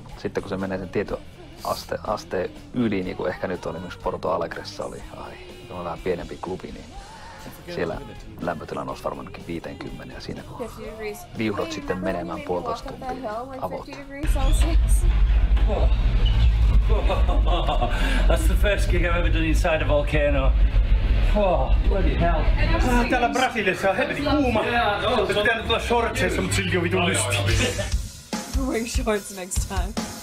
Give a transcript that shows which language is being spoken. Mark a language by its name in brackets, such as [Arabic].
[Finnish] Mut sitten kun se menee sen tietyn asteen yli, niin kuin ehkä nyt oli myös Porto Alegressa, oli ai, vähän pienempi klubi, niin siellä lämpötila nousi varmaankin 50 ja siinä kun viuhdot sitten menemään puolitoista tuntia avot. [English] That's the first gig I've ever done inside a volcano. Oh, bloody hell. [Finnish] Täällä Brasiliassa on hevetin kuuma. Pitää nyt tulla shortseissa, mutta silti on vitun lysti. [English] We're wearing shorts next time.